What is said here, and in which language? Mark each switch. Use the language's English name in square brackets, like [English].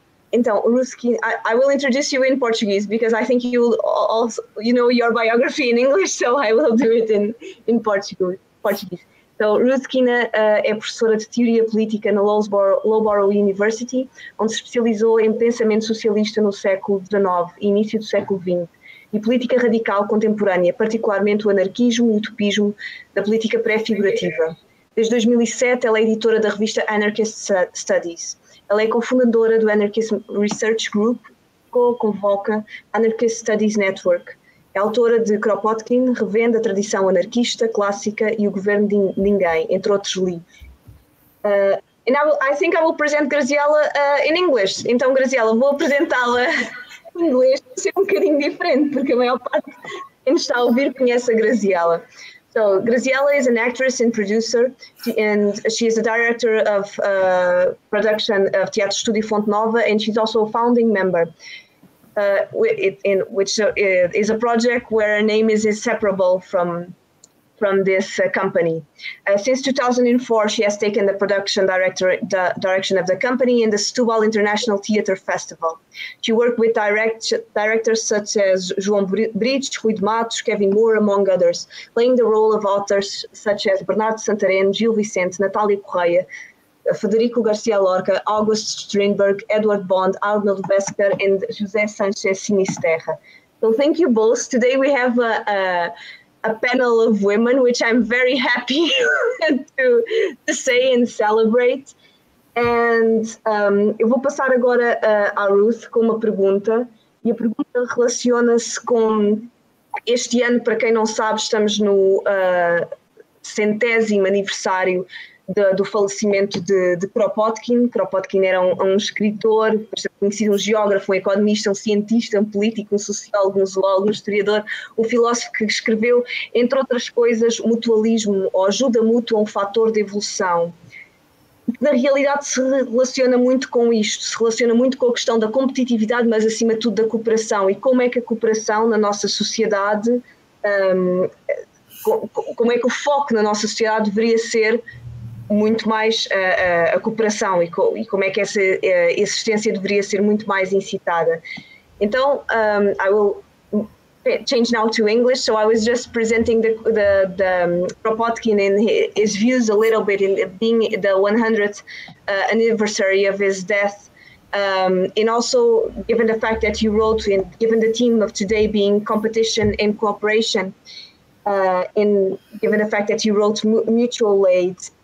[Portuguese] Então, [English] Ruth, I will introduce you in Portuguese because I think you also, you know your biography in English, so I will do it in Portuguese. [Portuguese] Então, Ruth Quina é professora de teoria política na Loughborough University, onde se especializou em pensamento socialista no século XIX e início do século XX, e política radical contemporânea, particularmente o anarquismo e o utopismo da política pré-figurativa. Desde 2007, ela é editora da revista Anarchist Studies. Ela é cofundadora do Anarchist Research Group, co-convoca Anarchist Studies Network. É autora de Kropotkin, Revendo a Tradição Anarquista Clássica e O Governo de Ninguém, entre outros livros. [English] And I think I will present Graziella in English. [Portuguese] Então, Graziella, vou apresentá-la em inglês, vai ser um bocadinho diferente, porque a maior parte de quem está a ouvir conhece a Graziella. [English] So, Graziella is an actress and producer, and she is the director of production of Teatro Estúdio Fonte Nova, and she's also a founding member. Which is a project where her name is inseparable from this company. Since 2004, she has taken the production director the direction of the company in the Setúbal International Theatre Festival. She worked with directors such as João Brites, Rui de Matos, Kevin Moore, among others, playing the role of authors such as Bernardo Santarém, Gil Vicente, Natália Correia, Federico García Lorca, August Strindberg, Edward Bond, Arnold Wesker, and José Sánchez Sinisterra. So thank you both. Today we have a panel of women, which I'm very happy to say and celebrate. And [Portuguese] eu vou passar agora à Ruth com uma pergunta. E a pergunta relaciona-se com este ano, para quem não sabe, estamos no centésimo aniversário do falecimento de Kropotkin. Kropotkin era um escritor, conhecido, um geógrafo, um economista, um cientista, um político, um sociólogo, um zoólogo, um historiador, um filósofo que escreveu, entre outras coisas, mutualismo ou ajuda mútua, um fator de evolução. Na realidade, se relaciona muito com isto, se relaciona muito com a questão da competitividade, mas acima de tudo da cooperação. E como é que a cooperação na nossa sociedade, como é que o foco na nossa sociedade deveria ser muito mais a cooperação e como é que essa existência deveria ser muito mais incitada. Então, [English] I will change now to English. So I was just presenting the Kropotkin and his views a little bit in being the 100th anniversary of his death. And also given the fact that you wrote in, given the theme of today being competition and cooperation, and given the fact that you wrote mutual aid.